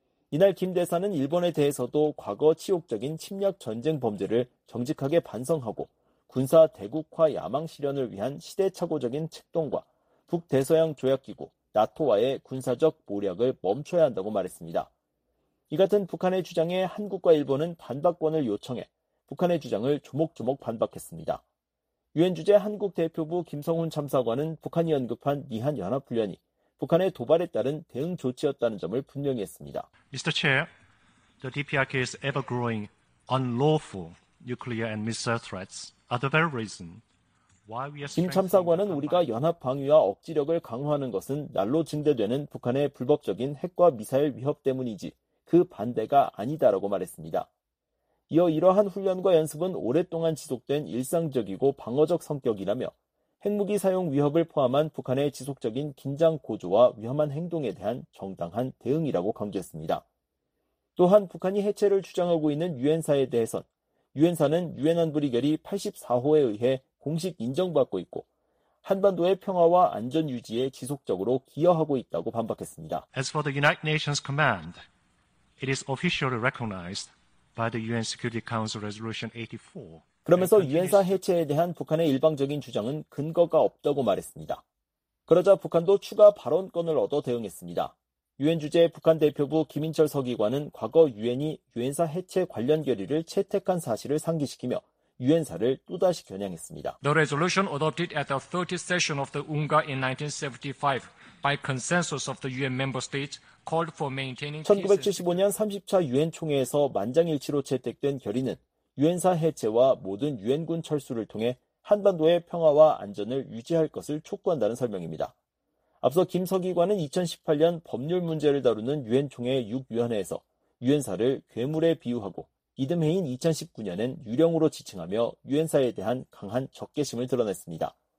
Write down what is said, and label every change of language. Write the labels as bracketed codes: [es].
[ko] 이날 김 대사는 일본에 대해서도 과거 치욕적인 침략 전쟁 범죄를 정직하게 반성하고 군사 대국화 야망 실현을 위한 시대착오적인 책동과 북대서양 조약기구, 나토와의 군사적 모략을 멈춰야 한다고 말했습니다. 이 같은 북한의 주장에 한국과 일본은 반박권을 요청해 북한의 주장을 조목조목 반박했습니다. 유엔 주재 한국 대표부 김성훈 참사관은 북한이 언급한 미한연합훈련이 북한의 도발에 따른 대응 조치였다는 점을 분명히 했습니다. [en] Mr. Chair, the DPRK is ever-growing unlawful nuclear and missile threats are the very reason [ko] 김 참사관은 우리가 연합 방위와 억지력을 강화하는 것은 날로 증대되는 북한의 불법적인 핵과 미사일 위협 때문이지 그 반대가 아니다라고 말했습니다. 이어 이러한 훈련과 연습은 오랫동안 지속된 일상적이고 방어적 성격이라며 핵무기 사용 위협을 포함한 북한의 지속적인 긴장 고조와 위험한 행동에 대한 정당한 대응이라고 강조했습니다. 또한 북한이 해체를 주장하고 있는 유엔사에 대해선 유엔사는 유엔안보리결의 84호에 의해 공식 인정받고 있고 한반도의 평화와 안전 유지에 지속적으로 기여하고 있다고 반박했습니다. [en] As for the United Nations command, it is officially recognized by the UN Security Council Resolution 84. [ko] 그러면서 유엔사 해체에 대한 북한의 일방적인 주장은 근거가 없다고 말했습니다. 그러자 북한도 추가 발언권을 얻어 대응했습니다. 유엔 주재 북한 대표부 김인철 서기관은 과거 유엔이 유엔사 해체 관련 결의를 채택한 사실을 상기시키며 유엔사를 또다시 겨냥했습니다. [en] The resolution adopted at the 30th session of the UNGA in 1975 by consensus of the UN member states called for maintaining [ko] 1975년 30차 유엔 총회에서 만장일치로 채택된 결의는 유엔사 해체와 모든 유엔군 철수를 통해 한반도의 평화와 안전을 유지할 것을 촉구한다는 설명입니다. 앞서 김석의관은 2018년 법률 문제를 다루는 유엔총회 6위원회에서 유엔사를 괴물에 비유하고 이듬해인 2019년엔 유령으로 지칭하며 유엔사에 대한 강한 적개심을 드러냈습니다.